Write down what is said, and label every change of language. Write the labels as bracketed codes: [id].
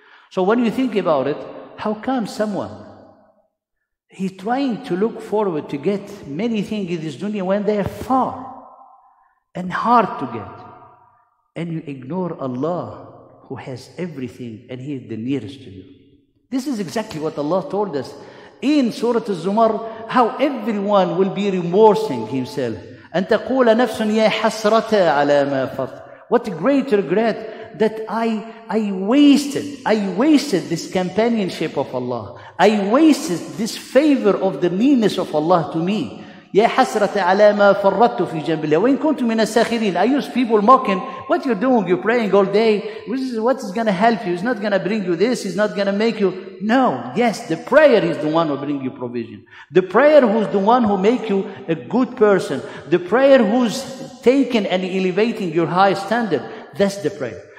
[en] So when you think about it, how come someone, he's trying to look forward to get many things in this dunya when they are far and hard to get, and you ignore Allah who has everything and he is the nearest to you? This is exactly what Allah told us in Surah Az-Zumar, how everyone will be remorsing himself. [ar] And تقول نفس يا حسرت على ما فات. [en] What a great regret that I wasted this companionship of Allah. I wasted this favor of the nearness of Allah to me. [ar] يا حسرة على ما فرطت في جنب الله وإن كنت من الساخرين. [en] I use people mocking. What you're doing? You're praying all day. What is going to help you? It's not going to bring you this. It's not going to make you. No. Yes, the prayer is the one who bring you provision. The prayer who's the one who make you a good person. The prayer who's taking and elevating your high standard. That's the prayer.